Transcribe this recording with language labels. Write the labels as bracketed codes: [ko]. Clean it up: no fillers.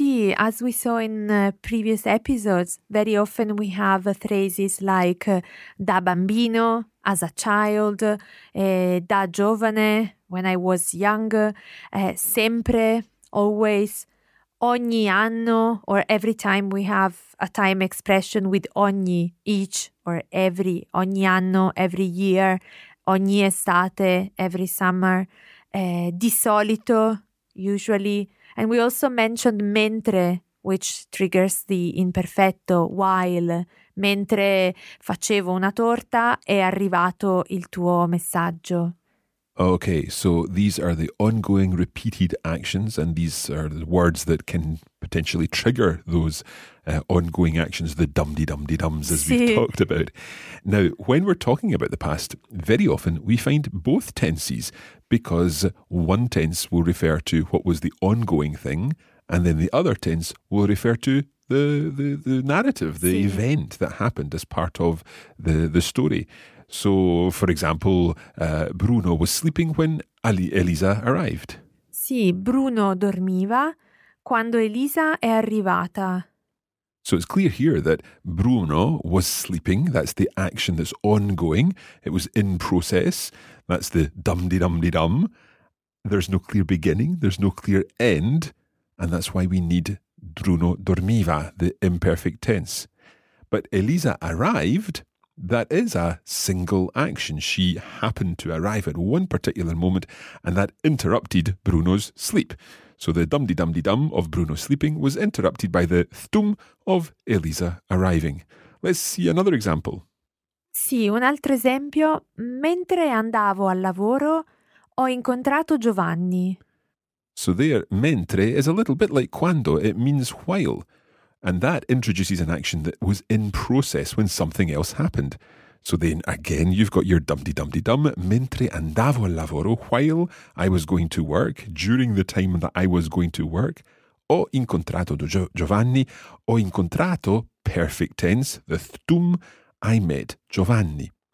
[en] see, as we saw in previous episodes, very often we have phrases like [it] da bambino, [en] as a child, [it] da giovane, [en] when I was young, sempre, always, [it] ogni anno, [en] or every time we have a time expression with ogni, each, or every, ogni anno, every year, [it] ogni estate, [en] every summer, [it] di solito, [en] usually. And we also mentioned mentre, which triggers the imperfetto, while. [it] Mentre facevo una torta, è arrivato il tuo messaggio. [en] Okay, so these are the ongoing repeated actions, and these are the words that can potentially trigger those ongoing actions, the dum-de-dum-de-dums, as we've talked about. Now, when we're talking about the past, very often we find both tenses, because one tense will refer to what was the ongoing thing, and then the other tense will refer to the narrative, the event that happened as part of the story. So, for example, Bruno was sleeping when Elisa arrived. [it] Sì, Bruno dormiva quando Elisa è arrivata. [en] So it's clear here that Bruno was sleeping. That's the action that's ongoing. It was in process. That's the dum-de-dum-de-dum. There's no clear beginning. There's no clear end. And that's why we need [it] Bruno dormiva, [en] the imperfect tense. But Elisa arrived. That is a single action. She happened to arrive at one particular moment, and that interrupted Bruno's sleep. So the dum-de-dum-de-dum of Bruno sleeping was interrupted by the thtum of Elisa arriving. Let's see another example. [it] Sì, un altro esempio. Mentre andavo al lavoro, ho incontrato Giovanni. [en] So there, mentre is a little bit like quando. It means while. And that introduces an action that was in process when something else happened. So then again, you've got your dum-de-dum-de-dum. [it] Mentre andavo al lavoro, [en] while I was going to work, during the time that I was going to work, [it] ho incontrato Giovanni, ho incontrato, [en] perfect tense, the thtum, I met Giovanni.